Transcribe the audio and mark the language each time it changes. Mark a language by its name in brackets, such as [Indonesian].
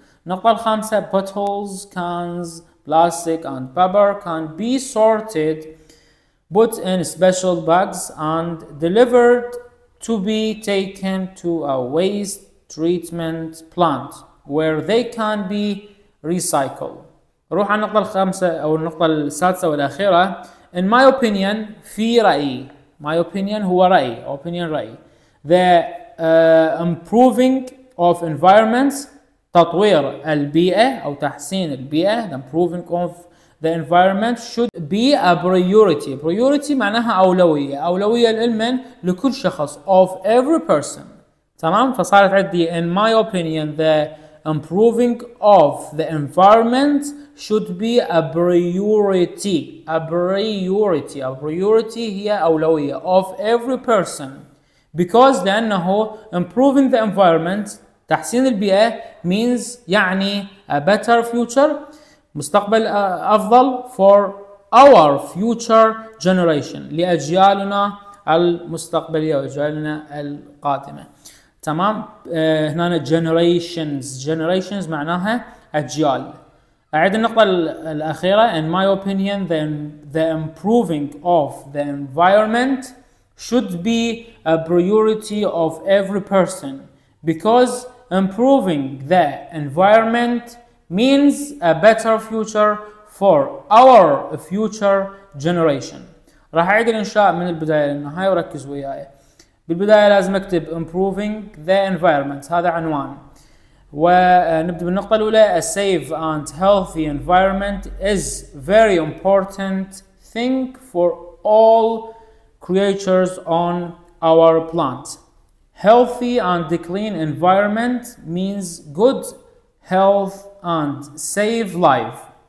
[Arabic] النقطة الخامسة [English] bottles cans plastic and paper can be sorted put in special bags and delivered to be taken to a waste treatment plant where they can be recycled. [Arabic] روح على النقطة الخامسة أو النقطة السادسة والأخيرة. [English] In my opinion، [Arabic] في رأيي. My opinion هو رأي. Opinion رأي. The improving of environments، تطوير البيئة أو تحسين البيئة. [English] The improving of the environment should be a priority. [Arabic] Priority معناها أولوية. أولوية لمن؟ لكل شخص. [English] Of every person. [Arabic] تمام؟ فصارت عندي [English] in my opinion the improving of the environment should be a priority. A priority. A priority [Arabic] هي أولوية. [English] Of every person. Because لأنه improving the environment، [Arabic] تحسين البيئة، [English] means يعني a better future، [Arabic] مستقبل أفضل، [English] for our future generation، [Arabic] لأجيالنا المستقبلية وأجيالنا القادمة. تمام؟ هنا generations. Generations معناها أجيال. أعد النقطة الأخيرة. [English] In my opinion the improving of the environment should be a priority of every person because improving the environment means a better future for our future generation. [Arabic] راح أعيد الإنشاء من البداية للنهاية وركز وياي. بالبداية لازم أكتب [English] improving the environment، [Arabic] هذا عنوان. ونبدأ بالنقطة الأولى. [English] A safe and healthy environment is very important thing for all creatures on our planet. Healthy and clean environment means good health and save life.